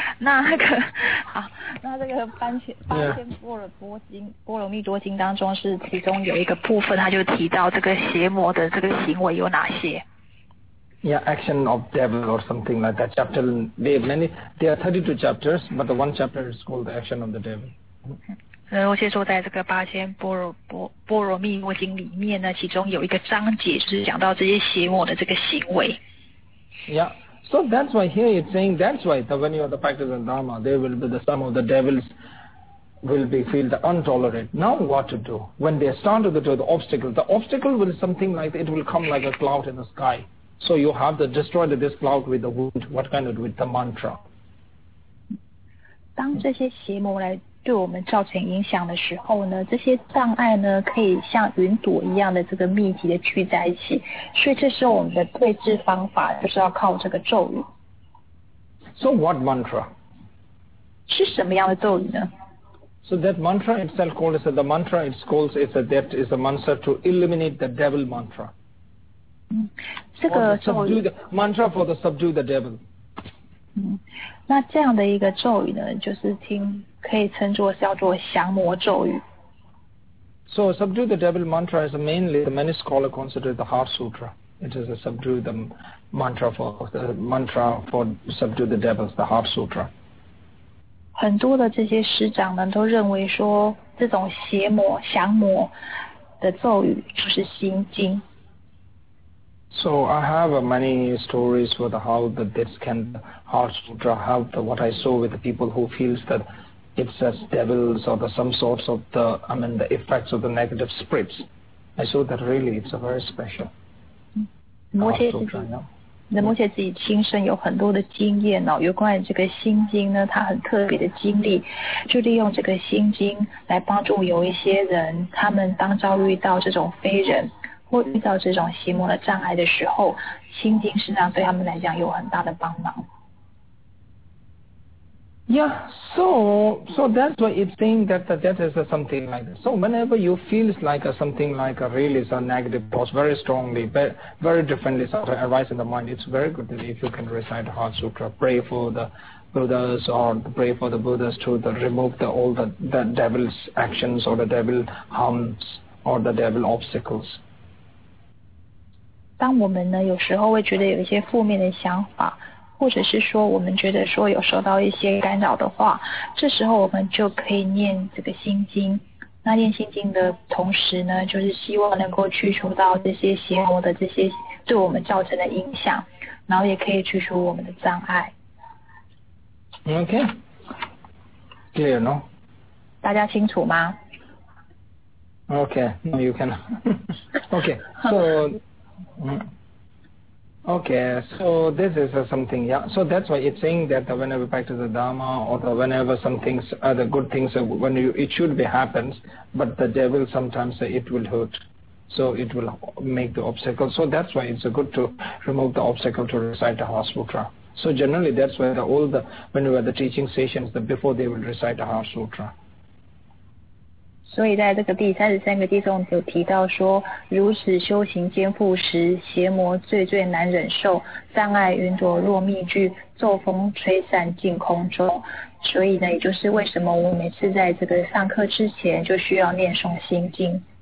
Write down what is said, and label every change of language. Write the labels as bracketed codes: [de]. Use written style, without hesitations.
[zh] 那个好，那这个般若波罗蜜多经当中是其中有一个部分，他就提到这个邪魔的这个行为有哪些。 [en] Yeah, action of devil or something like that. Chapter, there are 32 chapters, but the one chapter is called the action of the devil. [zh] 我先说在这个八千般若蜜月经里面呢，其中有一个章节就是讲到这些邪魔的这个行为。 [en] Yeah, so that's why here it's saying that's why the when you are the practice of Dharma, there will be the some of the devils will be feel the intolerant. Now what to do? When they stand to the obstacle, the obstacle will something like it will come like a cloud in the sky. So you have to destroy this cloud with the wood. What kind of with the mantra? [zh] 当这些邪魔来对我们造成影响的时候呢，这些障碍呢可以像云朵一样的这个密集的聚在一起，所以这时候我们的对治方法就是要靠这个咒语。 [en] So what mantra? [zh] 是什么样的咒语呢？ [en] So that mantra itself called is the mantra it's called is a, that is a mantra to eliminate the devil mantra. [zh] 嗯，这个咒语 [en] the mantra for the subdue the devil. [zh] 嗯，那这样的一个咒语呢，就是听可以称作叫做降魔咒语。 [en] So subdue the devil mantra is mainly the many scholar consider the Heart Sutra. It is a subdue the mantra for the mantra for subdue the devil, the Heart Sutra. [zh] 很多的这些师长呢，都认为说这种邪魔降魔的咒语就是心经。 [en] So I have many stories for the how the this can Heart Sutra help the, what I saw with the people who feels that it's as devils or the some sorts of the I mean the effects of the negative spirits. I saw that really it's a very special. [zh] 那摩羯自己亲身有很多的经验哦，有关于这个心经呢，他很特别的经历，就利用这个心经来帮助有一些人，他们当遭遇到这种非人。或遇到这种邪魔的障碍的时候，心经实际上对他们来讲有很大的帮忙。 [en] Yeah, so that's why it's saying that that is something like that. So whenever you feels like a something like a really is a negative thought very strongly, very differently sort of arise in the mind, it's very good that if you can recite Heart Sutra, pray for the Buddhas or pray for the Buddhas to the remove the all the devil's actions or the devil harms or the devil obstacles. [zh] 当我们呢有时候会觉得有一些负面的想法，或者是说我们觉得说有受到一些干扰的话，这时候我们就可以念这个心经。那念心经的同时呢，就是希望能够去除到这些邪魔的这些对我们造成的影响，然后也可以去除我们的障碍。 [en] Okay, clear no? [zh] 大家清楚吗 [en] ？Okay, no, you can. Okay, so. Okay, so this is something, yeah. So that's why it's saying that whenever we practice the Dharma or the whenever some things, the good things, when you, it should be happens, but the devil sometimes it will hurt. So it will make the obstacle. So that's why it's good to remove the obstacle to recite the Heart Sutra. So generally that's where the, all the, when you are the teaching sessions, the, before they will recite the Heart Sutra. [zh] 所以在这个第33个偈颂有提到说，如此修行坚固时，邪魔最最难忍受，障碍云朵若密聚，咒风吹散尽空中。所以呢，也就是为什么我每次在这个上课之前就需要念诵心经。